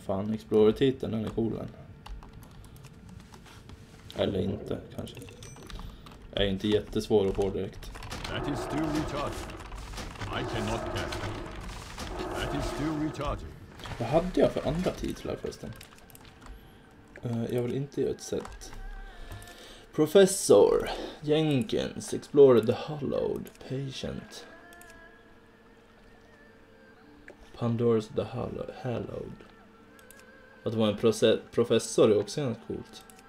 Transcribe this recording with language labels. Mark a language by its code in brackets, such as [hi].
[sv] Fan, Explorer-titeln, den är coolen. Eller inte, kanske. Jag är inte jättesvår att få direkt. [en] That is still recharging. I cannot catch it. That is still recharging. [sv] Vad hade jag för andra titlar förresten? Jag vill inte göra ett sätt. [en] Professor Jenkins, Explorer the Hollowed, Patient. [sv] Pandora's the Hallowed. Att vara en professor är också ganska coolt.